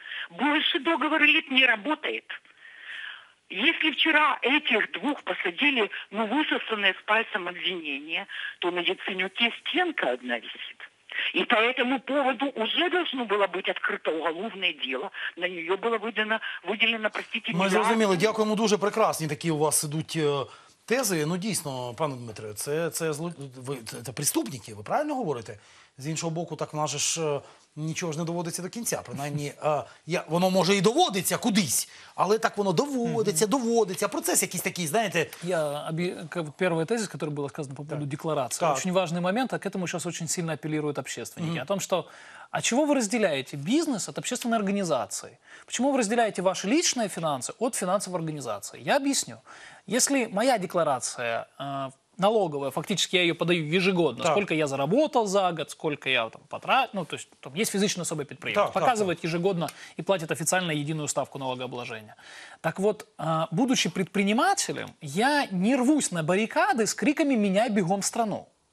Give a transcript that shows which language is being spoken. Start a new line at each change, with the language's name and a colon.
Russian: Больше договор элит не работает. Если вчера этих двух посадили, ну, высосанное с пальцем обвинение, то на Яценюке стенка одна висит. И по этому поводу уже должно было быть открыто уголовное дело. На нее было выделено, простите,
Ukrainian: мы зрозуміли, дякуємо дуже, прекрасні такі у вас ідуть... Тези, ну дійсно, пане Дмитре, це преступники, ви правильно говорите? З іншого боку, так в нас ж нічого ж не доводиться до кінця, принаймні, воно може і доводиться кудись, але так воно доводиться, доводиться, процес якийсь такий, знаєте. Перший тезис, який було сказано по поводу декларації, дуже важливий момент, а к цьому зараз дуже сильно апелюють общественники, о тому, що, а чого ви розділяєте бізнес від общественної організації? Чому ви розділяєте ваші лічні фінанси від фінансової організації? Я об'ясню.
Russian: Если моя декларация налоговая, фактически я ее подаю ежегодно, сколько я заработал за год, сколько я там потратил, ну, то есть там есть физическое особое предприятие, показывает ежегодно и платит официально единую ставку налогообложения. Так вот, будучи предпринимателем, я не рвусь на баррикады с криками «меняй бегом страну».